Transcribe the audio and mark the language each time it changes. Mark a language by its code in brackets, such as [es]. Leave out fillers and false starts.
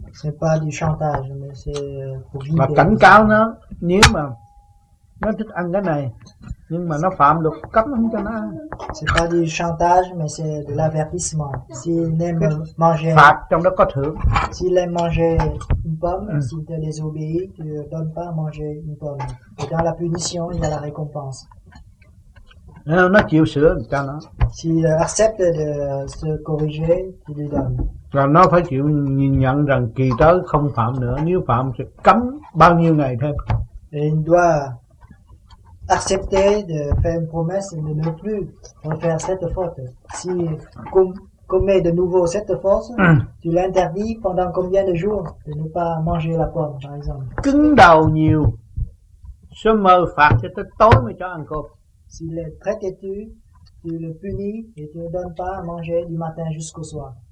[fr] C'est pas du chantage, mais c'est pour guider. [vi] Mà cảnh cáo nó, nếu mà nó thích ăn cái này, nhưng mà nó phạm luật cấm không cho nó. [fr] C'est pas du chantage, mais c'est de l'avertissement. S'il aime manger, [vi] phạt trong đó có thưởng. [fr] S'il aime manger une pomme, s'il te désobéit, tu ne donnes pas à manger une pomme. Et dans la punition, il y a la récompense. [vi] Nó chịu sửa người ta nó. [fr] S'il accepte de se corriger, tu lui donnes. [vi] Rồi nó phải chịu nhìn nhận rằng kỳ tới không phạm nữa, nếu phạm sẽ cấm bao nhiêu ngày thêm. [fr] Il doit accepter de faire une promesse et de ne plus refaire cette faute. Si commet de nouveau cette faute, tu l'interdis pendant combien de jours de ne pas manger la pomme, par exemple. [vi] Cứng đầu nhiều, sẽ mờ phạt cho tới tối mới cho ăn cơm. [fr] S'il est très têtu, tu le punis et tu ne donnes pas à manger du matin jusqu'au soir.